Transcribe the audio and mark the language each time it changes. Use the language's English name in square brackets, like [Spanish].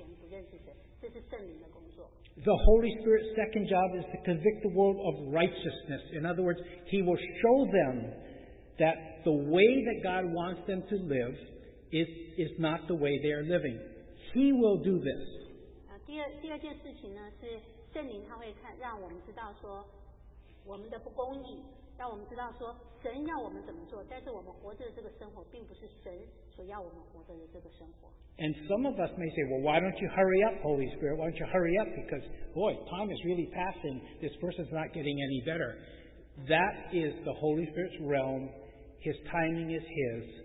[Chinese] 让我们知道我们自己是罪人，让我们知道我们之前不认识神，这是圣灵的工作。 [English] The Holy Spirit's second job is to convict the world of righteousness. In other words, He will show them that the way that God wants them to live is not the way they are living. He will do this. [Chinese] 第二件事情呢，是圣灵他会看，让我们知道说我们的不公义。 [English] And some of us may say, well, why don't you hurry up, Holy Spirit? Why don't you hurry up? Because, boy, time is really passing. This person's not getting any better. That is the Holy Spirit's realm. His timing is His.